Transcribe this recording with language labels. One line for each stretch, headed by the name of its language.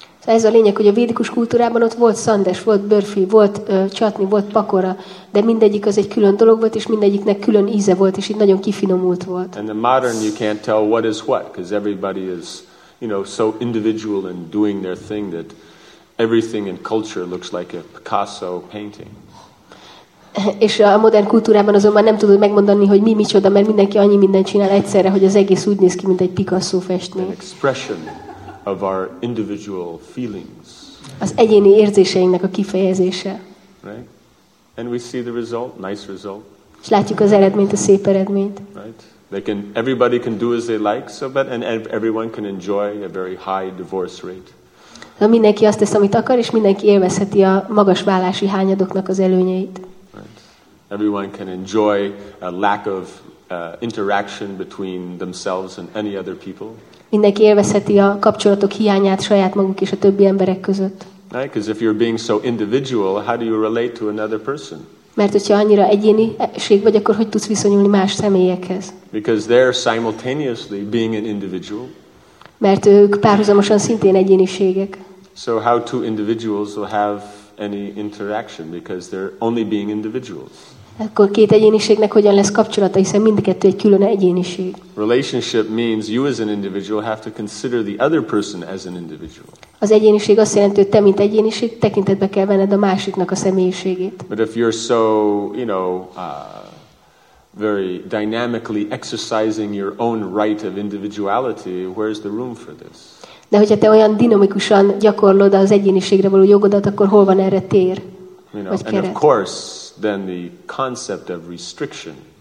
Hungarian: Szóval ez a lényeg, hogy a védikus kultúrában ott volt szandes, volt burfi, volt chutney, volt pakora, de mindegyik az egy külön dolog volt, és mindegyiknek külön íze volt, és itt nagyon kifinomult volt.
English: And the modern, you can't tell what is what, because everybody is, you know, so individual and doing their thing that everything in culture looks like a Picasso painting.
Hungarian: És a modern kultúrában azonban nem tudod megmondani, hogy mi micsoda, mert mindenki annyi mindent csinál egyszerre, hogy az egész úgy néz ki, mint egy Picasso festmény.
English: An expression of our individual feelings.
Hungarian: Az egyéni érzéseinknek a kifejezése.
English: Right? And we see the result, nice result.
Hungarian: És látjuk az eredményt, a szép eredményt.
English: Right? They can, everybody can do as they like, so but and everyone can enjoy a very high divorce rate.
Hungarian: Na, mindenki azt tesz, amit akar, és mindenki élvezheti a magas válási hányadoknak az előnyeit.
English: Right. Everyone can enjoy a lack of interaction between themselves and any other people.
Hungarian: Mindenki élvezheti a kapcsolatok hiányát saját maguk és a többi emberek között.
English: Right, because if you're being so individual, how do you relate to another person?
Hungarian: Mert hogyha annyira egyéniség vagy, akkor hogy tudsz viszonyulni más személyekhez?
English: Because they're simultaneously being an individual.
Hungarian: Mert ők párhuzamosan szintén egyéniségek.
English: So how two individuals will have any interaction because they're only being individuals.
Hungarian: Akkor két egyéniségnek hogyan lesz kapcsolata, hiszen mindkettő egy külön egyéniség.
English: Relationship means you as an individual have to consider the other person as an individual.
Hungarian: Az egyéniség azt jelenti, hogy te mint egyéniség tekintetbe kell venned a másiknak a személyiségét.
English: But if you're so, you know, very dynamically exercising your own right of individuality, where's the room for this?
Hungarian: De hogyha te olyan dinamikusan gyakorlod az egyéniségre való jogodat, akkor hol van erre tér?
English: You know, and of course, then the concept of restriction.